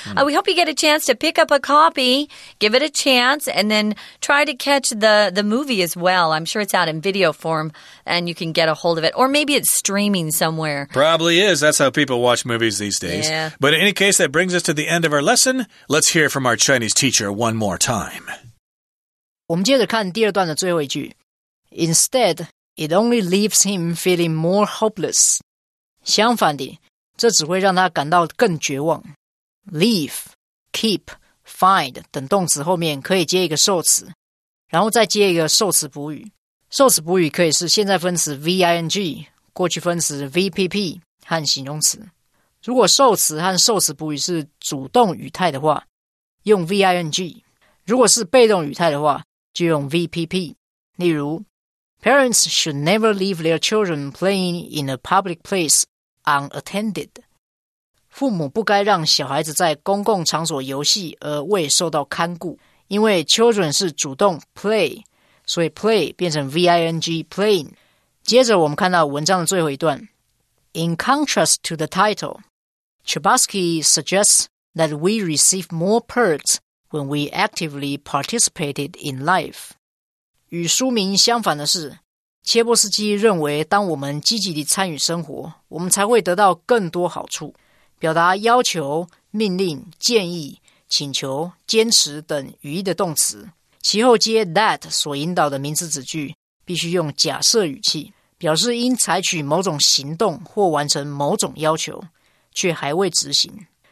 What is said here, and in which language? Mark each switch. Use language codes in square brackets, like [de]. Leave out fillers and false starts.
[en] We hope you get a chance to pick up a copy, give it a chance, and then try to catch the movie as well. I'm sure it's out in video form, and you can get a hold of it. Or maybe it's streaming somewhere. Probably is. That's how people watch movies these days. Yeah. But in any case, that brings us to the end of our lesson. Let's hear from our Chinese teacher one more time. [zh] 我们接着看第二段的最后一句。 [en] Instead... It only leaves him feeling more hopeless. [zh] 相反的，这只会让他感到更绝望。 Leave, keep, find 等动词后面可以接一个受词，然后再接一个受词补语。受词补语可以是现在分词 ving, 过去分词 vpp 和形容词。如果受词和受词补语是主动语态的话，用 ving。如果是被动语态的话，就用 vpp。 [en] 例如Parents should never leave their children playing in a public place unattended. [zh] 父母不该让小孩子在公共场所游戏而未受到看顾，因为 children 是主动 play, 所以 play 变成 V-I-N-G, playing. 接着我们看到文章的最后一段。 [en] In contrast to the title, Chbosky suggests that we receive more perks when we actively participated in life. [zh] 与书名相反的是，切波斯基认为当我们积极地参与生活，我们才会得到更多好处。表达要求、命令、建议、请求、坚持等语义的动词，其后接 that 所引导的名词子句，必须用假设语气，表示应采取某种行动或完成某种要求，却还未执行。